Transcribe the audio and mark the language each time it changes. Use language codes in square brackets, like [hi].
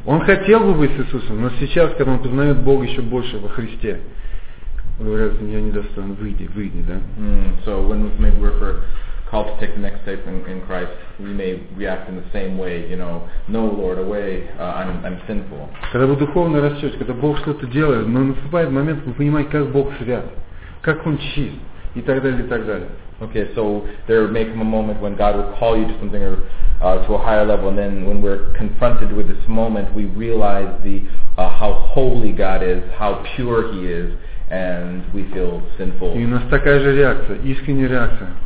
[ru] Он хотел бы быть с Иисусом, но сейчас, когда он познает Бога еще больше во Христе, говорят, я недостоин, выйди, да? [en] So when maybe we're called to take the next step in Christ, we may react in the same way, you know, no Lord, away, I'm sinful. [ru] Когда вы духовно растете, когда Бог что-то делает, но наступает момент, вы понимаете, как Бог свят, как Он чист, и так далее, и так далее. [en] Okay, so there may come a moment when God will call you to something or to a higher level, and then when we're confronted with this moment, we realize the how holy God is, how pure He is, and we feel sinful. [ru] И у нас такая же реакция, искренняя реакция.